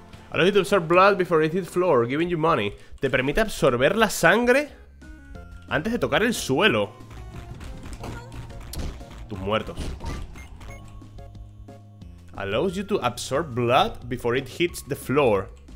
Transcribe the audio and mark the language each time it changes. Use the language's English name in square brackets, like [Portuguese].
[English] Allow you to absorb blood before it hits floor, giving you money. [Spanish] Te permite absorber la sangre antes de tocar el suelo. Tus muertos. [English] Allows you to absorb blood before it hits the floor.